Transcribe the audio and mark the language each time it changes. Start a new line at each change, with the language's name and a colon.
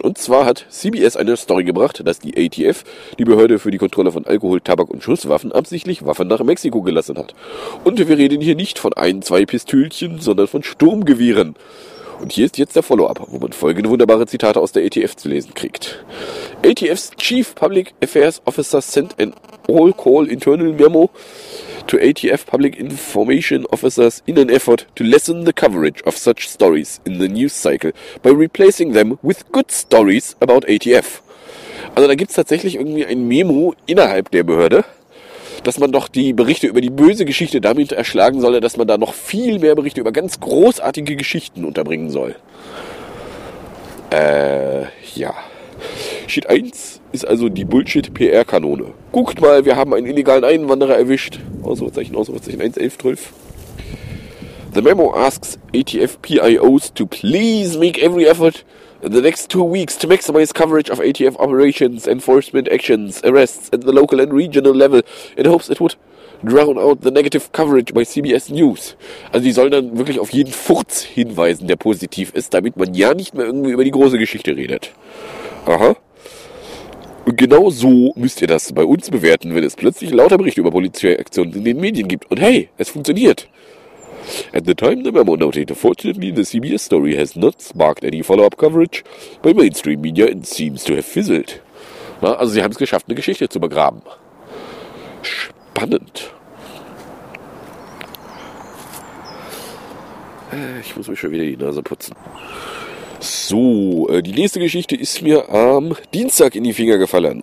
German: Und zwar hat CBS eine Story gebracht, dass die ATF, die Behörde für die Kontrolle von Alkohol, Tabak und Schusswaffen, absichtlich Waffen nach Mexiko gelassen hat. Und wir reden hier nicht von ein, zwei Pistülchen, sondern von Sturmgewehren. Und hier ist jetzt der Follow-up, wo man folgende wunderbare Zitate aus der ATF zu lesen kriegt.
English: ATF's Chief Public Affairs Officer sent an all-call internal memo to ATF Public Information Officers in an effort to lessen the coverage of such stories in the news cycle by replacing them with good stories about ATF.
German: Also da gibt's tatsächlich irgendwie ein Memo innerhalb der Behörde, dass man doch die Berichte über die böse Geschichte damit erschlagen solle, dass man da noch viel mehr Berichte über ganz großartige Geschichten unterbringen soll. Ja. Sheet 1 ist also die Bullshit-PR-Kanone. Guckt mal, wir haben einen illegalen Einwanderer erwischt. Ausrufezeichen 1, 11, 12.
English: The memo asks ATF PIOs to please make every effort in the next 2 weeks to maximize coverage of ATF operations, enforcement actions, arrests at the local and regional level in hopes it would drown out the negative coverage by CBS News.
German: Also die sollen dann wirklich auf jeden Furz hinweisen, der positiv ist, damit man ja nicht mehr irgendwie über die große Geschichte redet. Aha. Und genau so müsst ihr das bei uns bewerten, wenn es plötzlich lauter Berichte über Polizeiaktionen in den Medien gibt. Und hey, es funktioniert.
English: At the time the memo noted, fortunately the CBS story has not sparked any follow-up coverage by mainstream media and seems to have fizzled.
German: Na, also sie haben es geschafft, eine Geschichte zu begraben. Spannend. Ich muss mich schon wieder die Nase putzen. So, die nächste Geschichte ist mir am Dienstag in die Finger gefallen.